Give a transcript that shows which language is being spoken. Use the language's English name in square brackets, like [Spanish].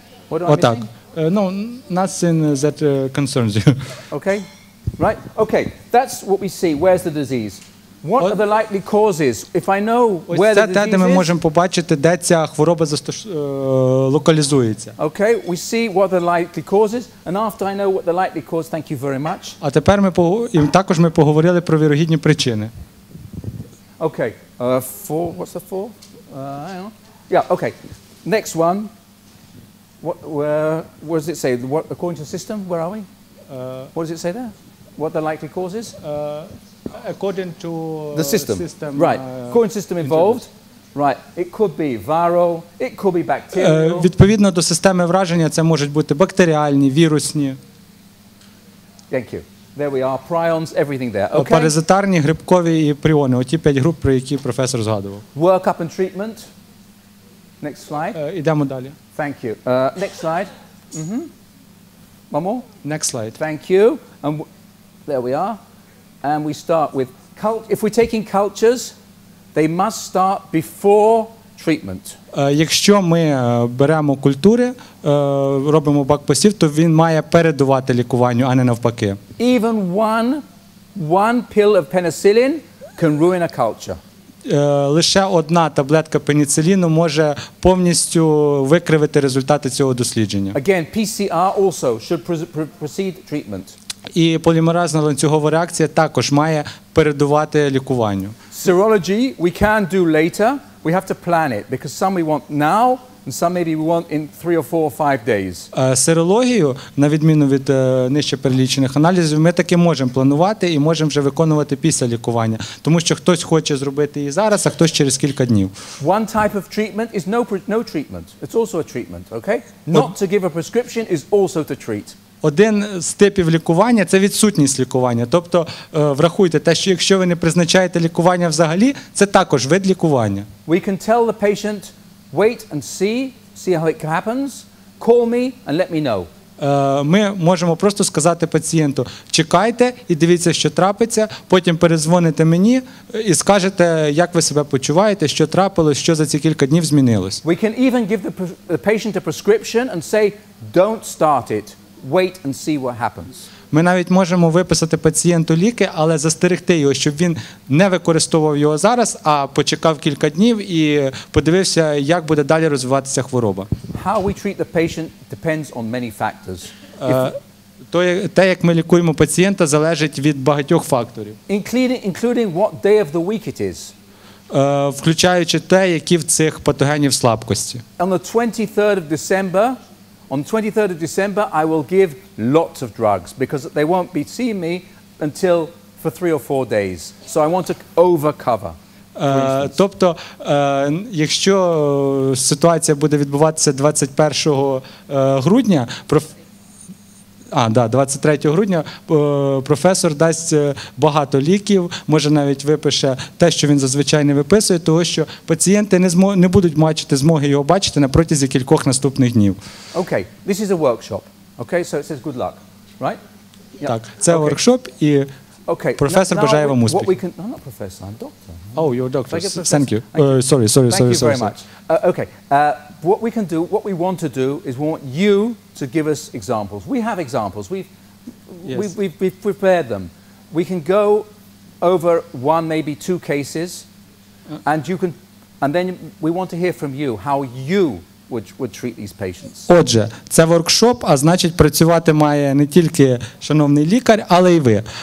[Ukrainian] Отак. [English] No, nothing that concerns you. Okay, right. Okay, that's what we see. Where's the disease? What are the likely causes? If I know where the disease is. [Ukrainian] Ми можемо побачити, де ця хвороба локалізується. [English] Okay, we see what the likely causes, and after I know what the likely cause, thank you very much. [Ukrainian] А тепер ми поговорили про вірогідні причини. [English] Okay, four. What's the four? Hang on. Yeah. Okay, next one. What does it say? What, according to the system, where are we? What does it say there? What the likely causes? According to the system. Right. According to system involved. Internet. Right. It could be viral. It could be bacterial. [Ukrainian] Відповідно до системи враження, це можуть бути бактеріальні, вірусні. [English] Thank you. There we are. Prions, everything there. Okay. [Ukrainian] Паразитарні, грибкові і пріони. Оті 5 груп, про які професор згадував. [English] Work up and treatment. Next slide. [Ukrainian] Ідемо далі. [English] Thank you. Next slide. Mm-hmm. One more. Next slide. Thank you. And there we are. And we start with if we're taking cultures, they must start before treatment. [Ukrainian] Якщо ми беремо культури, робимо бакпостів, то він має передувати лікуванню, а не навпаки. [English] Even one pill of penicillin can ruin a culture. [Ukrainian] Лише одна таблетка пеніциліну може повністю викривити результати цього дослідження. [English] Again, PCR also should precede treatment. [Ukrainian] І полімеразна ланцюгова реакція також має передувати лікуванню. [English] Serology we can do later. We have to plan it because some we want now and some maybe we want in 3 or 4 or 5 days. [Ukrainian] Серологію, на відміну від нижче перелічених аналізів, ми таки можемо планувати і можемо вже виконувати після лікування, тому що хтось хоче зробити її зараз, а хтось через кілька днів. [English] One type of treatment is no treatment. It's also a treatment, okay? Not to give a prescription is also to treat. [Ukrainian] Один з типів лікування – це відсутність лікування. Тобто врахуйте те, що якщо ви не призначаєте лікування взагалі, це також вид лікування. [English] We can tell the patient, wait and see how it happens, call me and let me know. [Ukrainian] Ми можемо просто сказати пацієнту, чекайте і дивіться, що трапиться, потім перезвоните мені і скажете, як ви себе почуваєте, що трапилось, що за ці кілька днів змінилось. [English] We can even give the patient a prescription and say, don't start it. Wait and see what happens. [Ukrainian] Ми навіть можемо виписати пацієнту ліки, але застерегти його, щоб він не використовував його зараз, а почекав кілька днів і подивився, як буде далі розвиватися хвороба. [English] How we treat the patient depends on many factors. [Ukrainian] Те, як ми лікуємо пацієнта, залежить від багатьох факторів. [English] Including what day of the week it is. [Ukrainian] Включаючи те, які в цих патогенів слабкості. [English] On the 23rd of December, on 23rd of December, I will give lots of drugs because they won't be seeing me until for 3 or 4 days. So I want to overcover. [Ukrainian] Тобто, якщо ситуація буде відбуватися 21 грудня, 23 грудня професор дасть багато ліків, може навіть випише те, що він зазвичай не виписує, того що пацієнти не будуть бачити змоги його бачити на протязі кількох наступних днів. [English] Okay, this is a workshop. Okay, so it says good luck, right? Yep. [Ukrainian] Так, це воркшоп і професор бажає вам успіхів. [English] What we can, I'm not a professor, I'm a doctor. Oh, you're a doctor. Thank you. Sorry. Thank you very much. Okay. What we can do, what we want to do is we want you to give us examples. We have examples. We've prepared them. We can go over one, maybe two cases, and you can, and then we want to hear from you how you would treat these patients. [Ukrainian] Отже, це воркшоп, а значить працювати має не тільки шановний лікар, але й ви.